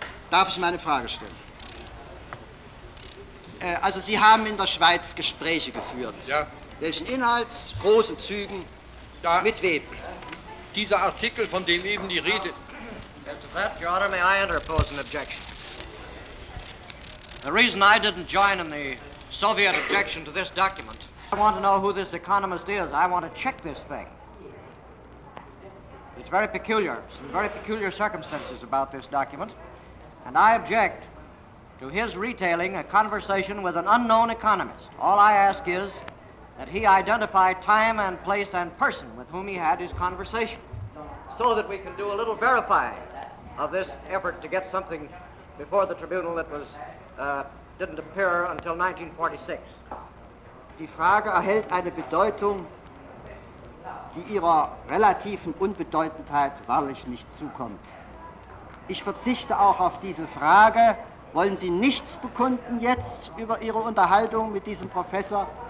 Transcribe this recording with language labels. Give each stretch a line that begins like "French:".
German: Darf ich meine Frage stellen? Also, Sie haben in der Schweiz Gespräche geführt. Ja. Welchen Inhalts, großen Zügen, ja, mit wem? Dieser Artikel, von dem eben die Rede...
English: Mr. Pratt, Your Honor, may I interpose an objection? The reason I didn't join in the Soviet objection to this document... I want to know who this economist is. I want to check this thing. It's very peculiar. Some very peculiar circumstances about this document. And I object to his retailing a conversation with an unknown economist. All I ask is that he identify time and place and person with whom he had his conversation, so that we can do a little verifying of this effort to get something before the tribunal that was didn't appear until 1946.
German: Die Frage erhält eine Bedeutung, die ihrer relativen Unbedeutendheit wahrlich nicht zukommt. Ich verzichte auch auf diese Frage. Wollen Sie nichts bekunden jetzt über Ihre Unterhaltung mit diesem Professor?